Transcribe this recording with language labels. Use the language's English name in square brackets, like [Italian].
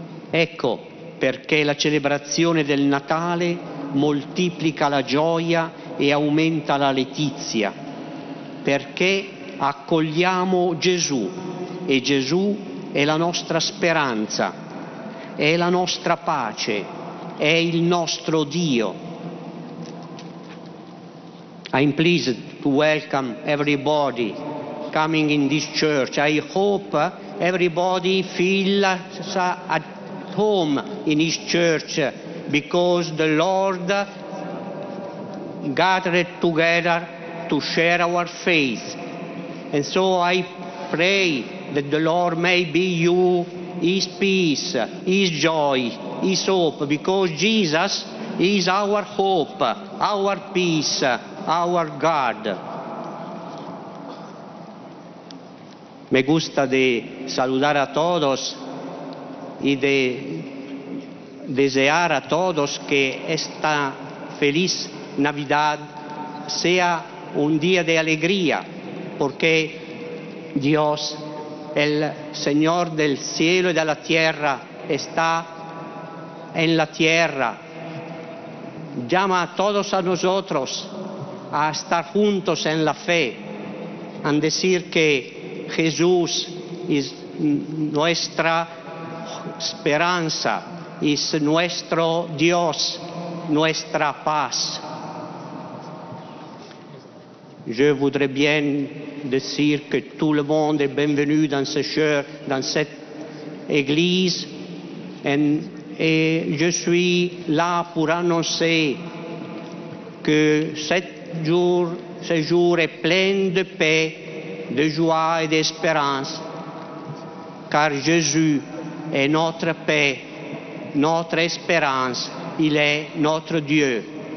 [Italian] Ecco perché la celebrazione del Natale moltiplica la gioia e aumenta la letizia, perché accogliamo Gesù, e Gesù è la nostra speranza, è la nostra pace, è il nostro Dio. [English] I'm pleased to welcome everybody coming in this church. I hope everybody feels at home in his church, because the Lord gathered together to share our faith. And so I pray that the Lord may be you his peace, his joy, his hope, because Jesus is our hope, our peace, our God. [Spanish] Me gusta de saludar a todos y de desear a todos que esta feliz Navidad sea un día de alegría, porque Dios, el Señor del cielo y de la tierra, está en la tierra. Llama a todos a nosotros a estar juntos en la fe, a decir que Jesús es nuestra esperanza, es nuestro Dios, nuestra paz. [French] Je voudrais bien [Spanish] decir [French] que tout le monde est bienvenu dans ce chœur, dans cette église, et je suis là pour annoncer que ce jour est plein de paix, de joie et d'espérance, car Jésus est notre paix, notre espérance, il est notre Dieu.